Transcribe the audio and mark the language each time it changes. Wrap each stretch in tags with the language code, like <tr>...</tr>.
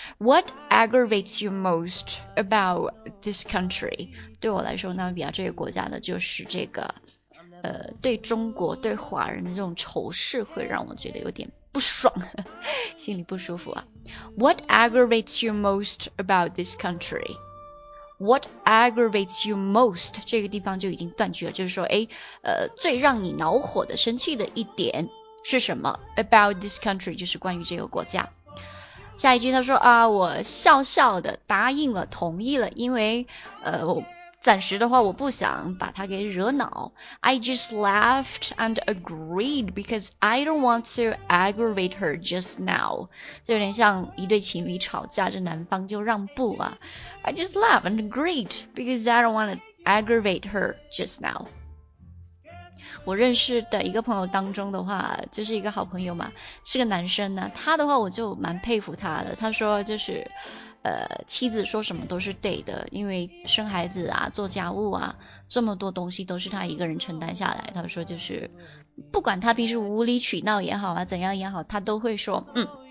<en>What aggravates you most about this country?</en> <zh>对我来说，纳米比亚这个国家呢，就是这个，对中国、对华人的这种仇视会让我觉得有点不爽，心里不舒服啊。</zh> <en>What aggravates you most about this country? What aggravates you most?</en> <zh>这个地方就已经断句了，就是说诶，最让你恼火的、生气的一点是什么？</zh> <en>About this country</en> <zh>就是关于这个国家。下一句他说啊，我笑笑的答应了、同意了，因为我暂时的话我不想把他给惹恼。</zh> <en>I just laughed and agreed because I don't want to aggravate her just now.</en> <zh>这有点像一对情侣吵架，这男方就让步啊。</zh> <en>I just laughed and agreed because I don't want to aggravate her just now.</en> <zh>我认识的一个朋友当中的话，就是一个好朋友嘛，是个男生呢、啊、他的话我就蛮佩服他的。他说就是妻子说什么都是对的，因为生孩子啊、做家务啊，这么多东西都是他一个人承担下来。他说就是不管他平时无理取闹也好啊，怎样也好，他都会说嗯，</zh>